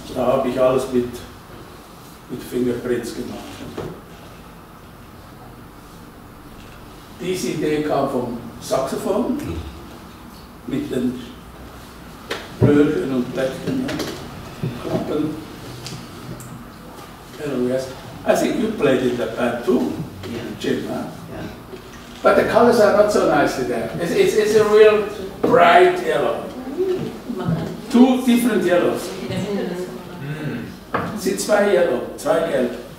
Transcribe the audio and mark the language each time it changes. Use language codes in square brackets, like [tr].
[de] Da habe ich alles mit Fingerprints gemacht. Diese Idee kam vom Saxophon mit den Röhren und Blättern, ja. Klappen. [en] I think you played in that band too, Jim. Huh? Yeah. But the colors are not so nice there. It's a real bright yellow. Two different yellows. [de] Sind zwei Yellow, zwei Gelb.